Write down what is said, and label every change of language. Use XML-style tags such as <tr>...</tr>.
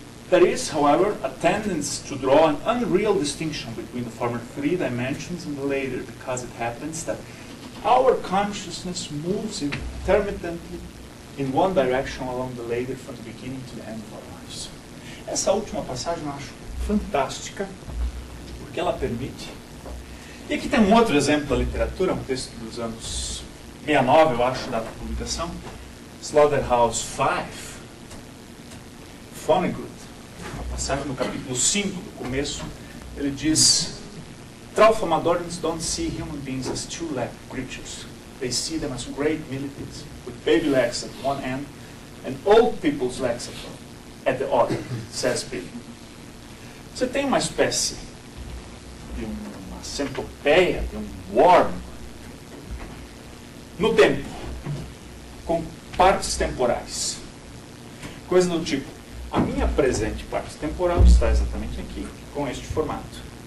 <en>There is, however, a tendency to draw an unreal distinction between the former three dimensions and the later, because it happens that our consciousness moves intermittently in one direction along the ladder from the beginning to the end of our lives.</en> <pt>Essa última passagem eu acho fantástica, porque ela permite. E aqui tem um outro exemplo da literatura, um texto dos anos 69, eu acho, data de publicação, Slaughterhouse-Five, Vonnegut, a passagem no capítulo 5, do começo, ele diz:</pt> <en>Traumatologists don't see human beings as two-legged creatures. They see them as great millipedes, with baby legs at one end and old people's legs at the other, says Billy.</en> <pt>Você tem uma espécie de uma centopeia, de um worm, no tempo, com partes temporais. Coisa do tipo, a minha presente parte temporal está exatamente aqui, com este formato.</pt>